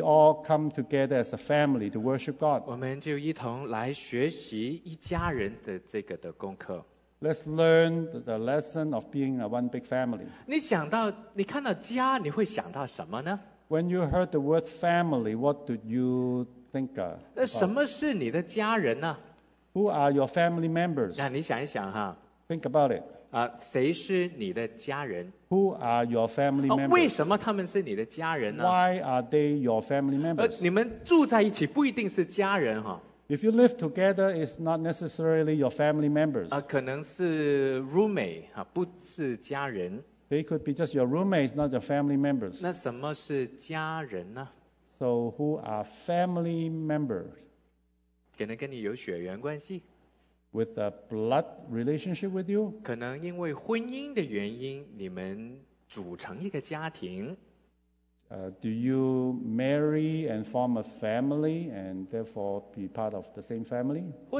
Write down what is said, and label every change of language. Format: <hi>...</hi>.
<en>all come together as a family to worship God. Let's learn the lesson of being a one big family.</en> <zh>你看到家，你会想到什么呢？</zh> <en>When you heard the word family, what did you think of?</en> <zh>那什么是你的家人呢？</zh> <en>Who are your family members?</en> <zh>那你想一想哈。</zh> <en>Think about it.</en> <zh>谁是你的家人？</zh> <en>Who are your family members?</en> <zh>为什么他们是你的家人呢？</zh> <en>Why are they your family members?</en> <zh>你们住在一起不一定是家人哈。</zh> <en>If you live together, it's not necessarily your family members.</en> <zh>可能是 roommate, 不是家人。</zh> <en>They could be just your roommates, not your family members.</en> <zh>那什么是家人呢？</zh> <en>So who are family members?</en> <zh>可能跟你有血缘关系。</zh> <en>With a blood relationship with you?</en> <zh>可能因为婚姻的原因，你们组成一个家庭。</zh> <en>Do you marry and form a family and therefore be part of the same family?</en>